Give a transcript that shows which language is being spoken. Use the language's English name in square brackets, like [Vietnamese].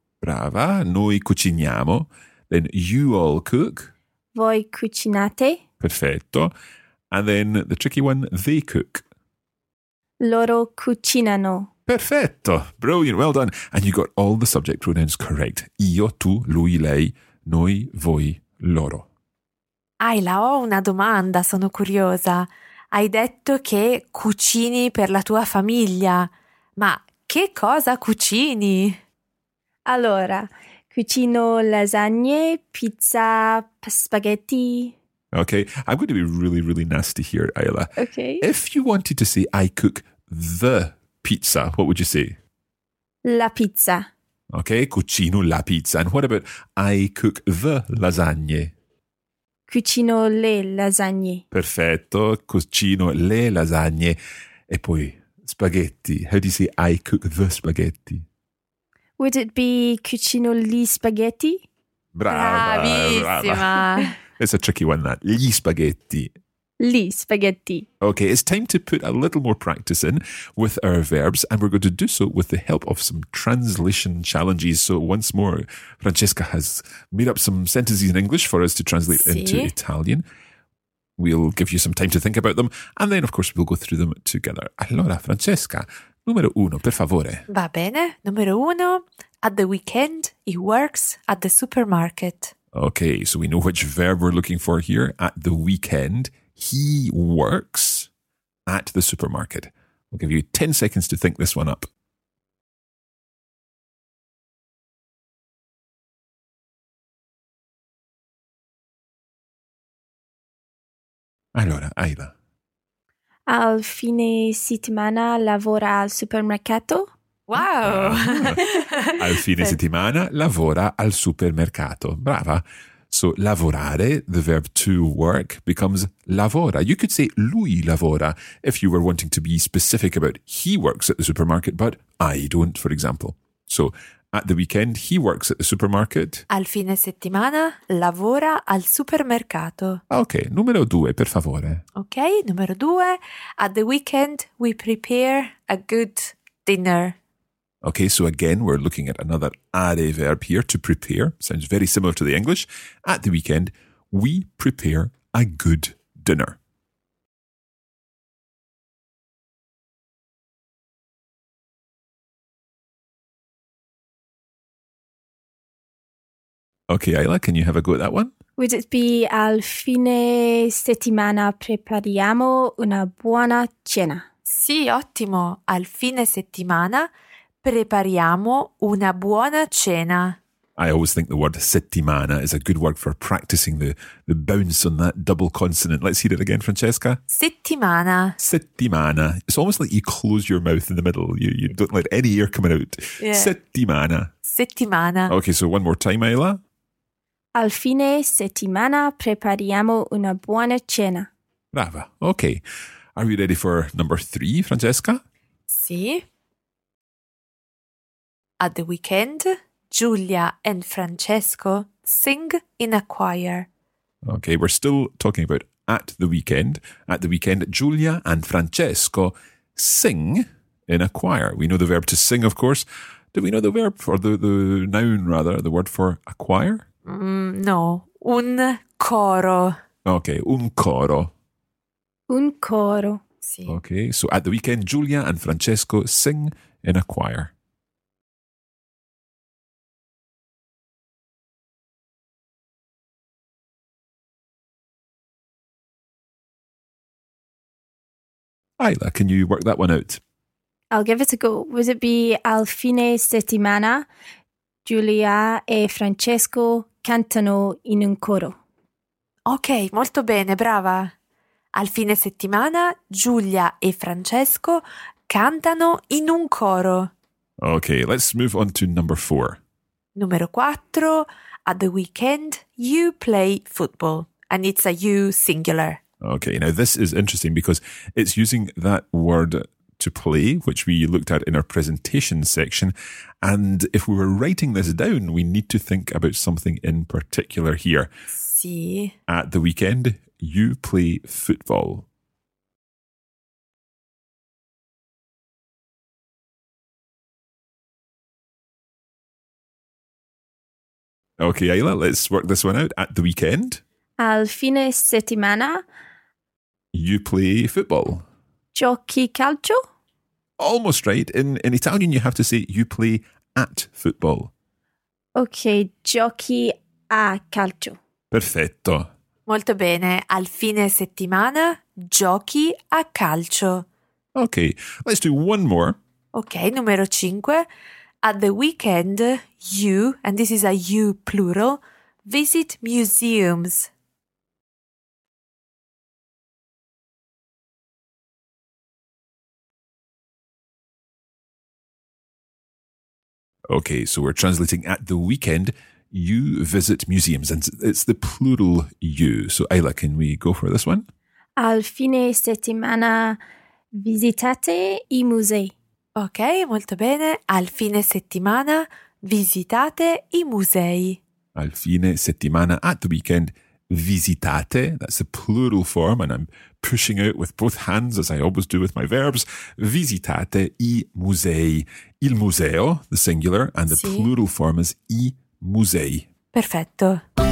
[Italian] Brava. Noi cuciniamo. [English] Then you all cook. [Italian] Voi cucinate. Perfetto. [English] And then the tricky one, they cook. [Italian] Loro cucinano. Perfetto. [English] Brilliant. Well done. And you got all the subject pronouns correct. [Italian] Io, tu, lui, lei, noi, voi, loro. Ayla, ho una domanda, sono curiosa. Hai detto che cucini per la tua famiglia, ma che cosa cucini? Allora, cucino lasagne, pizza, spaghetti. [English] Okay, I'm going to be really, really nasty here, Ayla. Okay. If you wanted to say, I cook the pizza, what would you say? [Italian] La pizza. Okay, cucino la pizza. [English] And what about, I cook the lasagne? [Italian] Cucino le lasagne. Perfetto, cucino le lasagne. E poi, spaghetti. [English] How do you say, I cook the spaghetti? Would it be [Italian] cucino gli spaghetti? Brava, bravissima. Brava. [English] It's a tricky one, that. [Italian] Gli spaghetti. gli spaghetti. [English] Okay, it's time to put a little more practice in with our verbs, and we're going to do so with the help of some translation challenges. So once more, Francesca has made up some sentences in English for us to translate into Italian. We'll give you some time to think about them, and then, of course, we'll go through them together. [Italian] Allora, Francesca, numero uno, per favore. Va bene, numero uno, [English] at the weekend, he works at the supermarket. Okay, so we know which verb we're looking for here. At the weekend, he works at the supermarket. We'll give you 10 seconds to think this one up. [Italian] Allora, Aila. Al fine settimana lavora al supermercato. [English] Wow! [Italian] Al fine settimana lavora al supermercato. Brava. [English] So, lavorare, the verb to work, becomes lavora. You could say [Italian] lui lavora [English] if you were wanting to be specific about he works at the supermarket, but I don't, for example. So, at the weekend, he works at the supermarket. [Italian] Al fine settimana, lavora al supermercato. Okay, numero due, per favore. Okay, numero due. [English] At the weekend, we prepare a good dinner. Okay, so again, we're looking at another are verb here, to prepare. Sounds very similar to the English. At the weekend, we prepare a good dinner. Okay, Ayla, can you have a go at that one? Would it be [Italian] al fine settimana prepariamo una buona cena? Sì, ottimo. Al fine settimana prepariamo una buona cena. [English] I always think the word settimana is a good word for practicing the bounce on that double consonant. Let's hear it again, Francesca. [Italian] Settimana. Settimana. [English] It's almost like you close your mouth in the middle. You don't let any air coming out. [Italian] Yeah. Settimana. Settimana. [English] Okay, so one more time, Ayla. [Italian] Al fine settimana prepariamo una buona cena. Brava. [English] Okay. Are we ready for number three, Francesca? [Italian] Sì. [English] At the weekend, Giulia and Francesco sing in a choir. Okay, we're still talking about at the weekend. At the weekend, Giulia and Francesco sing in a choir. We know the verb to sing, of course. Do we know the verb, or the noun rather, the word for a choir? [Italian] No, un coro. Okay, un coro. Un coro, sì. [English] Okay, so at the weekend, Giulia and Francesco sing in a choir. Ayla, can you work that one out? I'll give it a go. Would it be [Italian] al fine settimana, Giulia e Francesco cantano in un coro? Ok, molto bene, brava. Al fine settimana, Giulia e Francesco cantano in un coro. [English] Ok, let's move on to number four. [Italian] Numero quattro, [English] at the weekend, you play football. And it's a you singular. Okay, now this is interesting because it's using that word to play, which we looked at in our presentation section. And if we were writing this down, we need to think about something in particular here. See. At the weekend, you play football. Okay, Ayla, let's work this one out. At the weekend. [Italian] Al fine settimana. [English] You play football. [Italian] Giochi calcio? [English] Almost right. In Italian, you have to say you play at football. [Italian] Okay, giochi a calcio. Perfetto. Molto bene. Al fine settimana, giochi a calcio. [English] Okay, let's do one more. [Italian] Okay, numero cinque. [English] At the weekend, you, and this is a you plural, visit museums. Okay, so we're translating at the weekend, you visit museums, and it's the plural you. So Ayla, can we go for this one? [Italian] Al fine settimana visitate i musei. Okay, molto bene. Al fine settimana visitate i musei. Al fine settimana, [English] at the weekend, [Italian] visitate. [English] That's the plural form, and I'm pushing out with both hands, as I always do with my verbs. [Italian] Visitate I musei. Il museo, [English] the singular, and the plural form is [Italian] I musei. Perfetto.